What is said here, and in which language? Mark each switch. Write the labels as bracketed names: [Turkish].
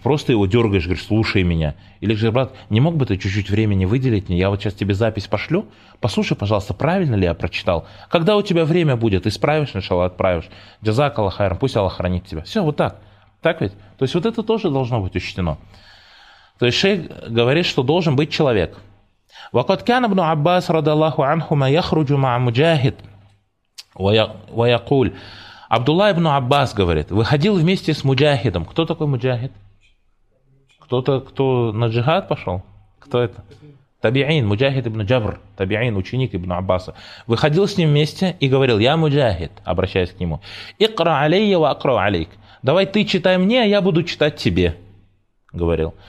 [Russian] Просто его дергаешь, говоришь, слушай меня. Или же, брат, не мог бы ты чуть-чуть времени выделить мне? Я вот сейчас тебе запись пошлю. Послушай, пожалуйста, правильно ли я прочитал? Когда у тебя время будет, исправишь, начало отправишь. Джазак Аллах хайран, пусть Аллах хранит тебя. Все, вот так. Так ведь? То есть вот это тоже должно быть учтено. То есть шейх говорит, что должен быть человек. [Arabic] وقد كان ابن عباس رضي الله عنهما يخرج مع مجاهد ويقول عبد الله بن عباس [Russian] говорит, выходил вместе с мужахидом. Кто такой мужахид? Кто-то, кто на джихад пошел? Кто это? Табиин, мужахид ибн Джабр, табиин, ученик ибн Аббаса. Выходил с ним вместе и говорил, я мужахид, обращаясь к нему. [Arabic] Икра алейя ва акра алейк. [Russian] Давай ты читай мне, а я буду читать тебе, говорил.